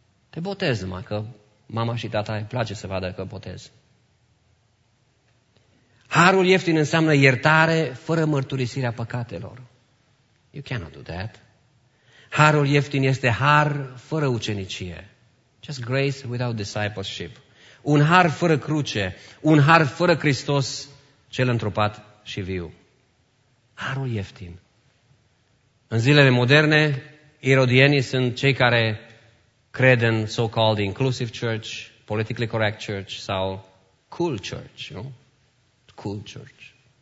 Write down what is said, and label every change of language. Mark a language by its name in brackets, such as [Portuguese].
[Romanian] Te botez numai că mama și tata îi place să vadă că botez. Harul ieftin înseamnă iertare fără mărturisirea păcatelor. [English] You cannot do that. [Romanian] Harul ieftin este har fără ucenicie. [English] Just grace without discipleship. [Romanian] Un har fără cruce, un har fără Hristos, cel întrupat și viu. Harul ieftin. În zilele moderne, irodienii sunt cei care cred în [English] so-called inclusive church, politically correct church [Romanian] sau [English] cool church, nu? Cool church.